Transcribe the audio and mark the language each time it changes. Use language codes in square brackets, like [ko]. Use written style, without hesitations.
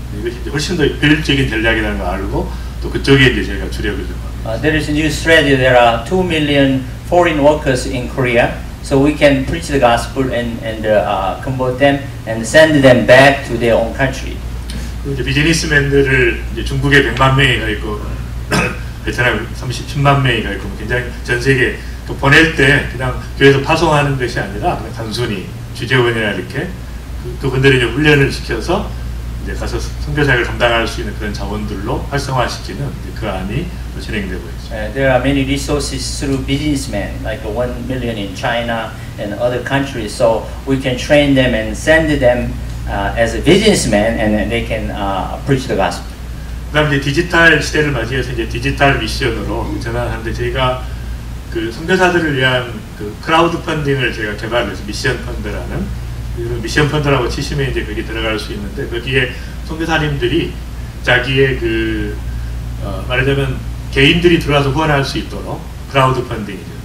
[ko] 이것이 훨씬 더 효율적인 전략이라는 걸 알고 또 그쪽에 이제 저희가 주력을 좀 [en] There is a new strategy. There are 2 million foreign workers in Korea. So we can preach the gospel convert them and send them back to their own country. [ko] 이제 비즈니스맨들을 이제 중국에 100만 명이 가 있고 베트남에 30만 명이 가 있고 굉장히 전 세계 또 보낼 때 그냥 교회에서 파송하는 것이 아니라 그냥 단순히 주재원이나 이렇게 그분들이 이제 훈련을 시켜서 이제 가서 선교사역을 감당할 수 있는 그런 자원들로 활성화시키는 그 안이 진행되고 있습니다. [en] There are many resources through businessmen, like 1 million in China and other countries. So we can train them and send them as a businessman, and then they can preach the gospel. [ko] 그다음 이제 디지털 시대를 맞이해서 이제 디지털 미션으로 전환하는데 저희가 그 선교사들을 위한 그 크라우드 펀딩을 제가 개발해서 미션 펀드라는. 미션 펀드라고 치시면 이제 거기 들어갈 수 있는데 거기에 선교사님들이 자기의 그 말하자면 개인들이 들어와서 후원할 수 있도록 크라우드 펀딩이죠.